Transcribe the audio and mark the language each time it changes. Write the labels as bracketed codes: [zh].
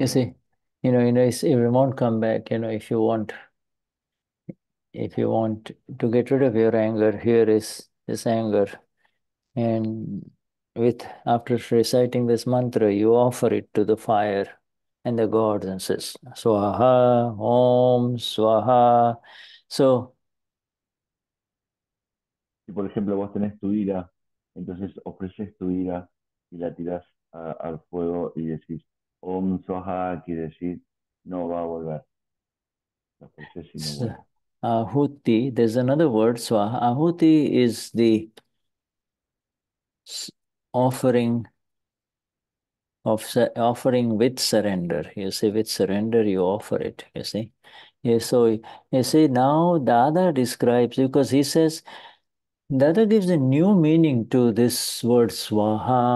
[en] You see, you know, it won't come back. You know, if you want to get rid of your anger, here is this anger, and after reciting this mantra, you offer it to the fire and the gods, and says swaha, om swaha. So. [es] Si, por ejemplo, vos tenés tu ira, entonces ofreces tu ira y la tirás al fuego y decís, Om Swaha, quiere decir, no va a volver. La ofreces y no vuelve. [en] Ahuti, there's another word, Swaha. Ahuti is the offering of offering with surrender. You see, with surrender, you offer it, you see. Yeah, so, you see, now Dada describes, because he says, Dada gives a new meaning to this word swaha.